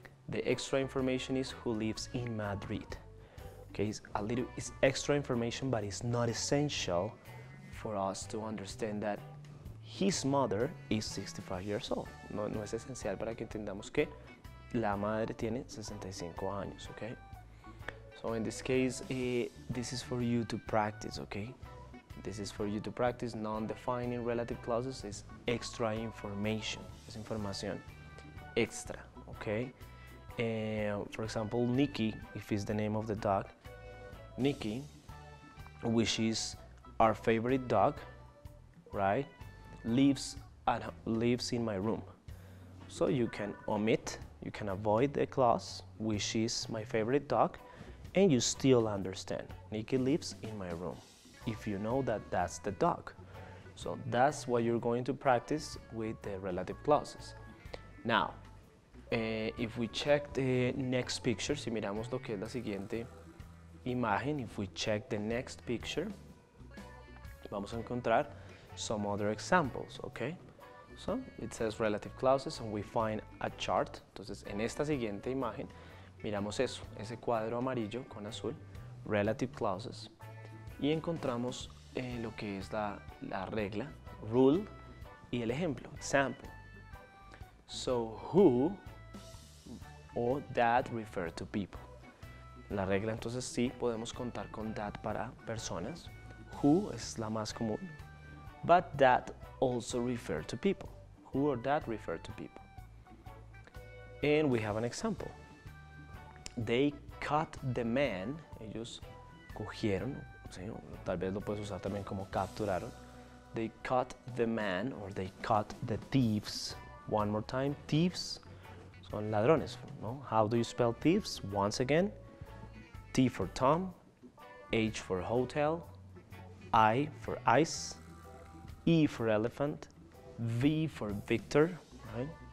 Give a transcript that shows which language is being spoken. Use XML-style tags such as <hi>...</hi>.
<en>The extra information is who lives in Madrid. Okay, it's extra information, but it's not essential for us to understand that his mother is 65 years old.</en> <es>No es esencial para que entendamos que la madre tiene 65 años, okay?</es> <en>So in this case, this is for you to practice, okay? This is for you to practice. Non-defining relative clauses is extra information.</en> <es>Es información extra,</es> <en>okay? For example, Nikki, if it's the name of the dog, Nikki, which is our favorite dog, right, lives in my room. So you can omit, you can avoid the clause, which is my favorite dog, and you still understand. Nikki lives in my room, if you know that that's the dog. So that's what you're going to practice with the relative clauses. Now, if we check the next picture,</en> <es>si miramos lo que es la siguiente imagen,</es> <en>if we check the next picture,</en> <es>vamos a encontrar</es> <en>some other examples, okay? So, it says relative clauses and we find a chart.</en> <es>Entonces, en esta siguiente imagen, miramos eso, ese cuadro amarillo con azul, relative clauses, y encontramos lo que es la regla, rule, y el ejemplo, example.</es> <en>So, who or that refer to people.</en> <es>La regla, entonces, sí, podemos contar con that para personas. Who es la más común.</es> <en>But that also refer to people. Who or that refer to people. And we have an example. They cut the man.</en> <es>Ellos cogieron. ¿Sí? Tal vez lo puedes usar también como capturaron.</es> <en>They cut the man or they cut the thieves. One more time. Thieves</en> <es>son ladrones. ¿No?</es> <en>How do you spell thieves? Once again. T for Tom, H for hotel, I for ice, E for elephant, V for Victor, right?</en>